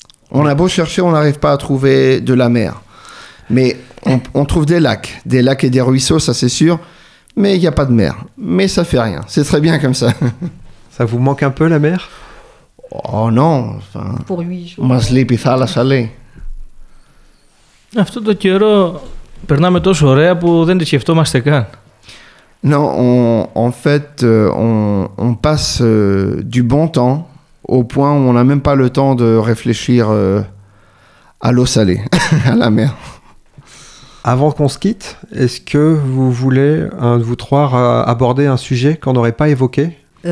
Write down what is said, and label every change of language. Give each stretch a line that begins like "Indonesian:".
French: On a beau chercher, on n'arrive pas à trouver de la mer, mais on trouve des lacs et des ruisseaux, ça c'est sûr, mais il n'y a pas de mer. Mais ça fait rien, c'est très bien comme ça. Ça vous manque un peu la mer ? Oh non, enfin, pour 8 jours.
Greek: Mas lipi thalassalei. Αυτό το καιρό περνάμε τόσο ωραία που δεν τη σκεφτόμαστε καν.
French: Non, en fait, on passe du bon temps au point où on n'a même pas le temps de réfléchir à l'eau salée, à la mer. Avant qu'on se quitte, est-ce que vous voulez, un de vous trois, aborder un sujet qu'on n'aurait pas évoqué ?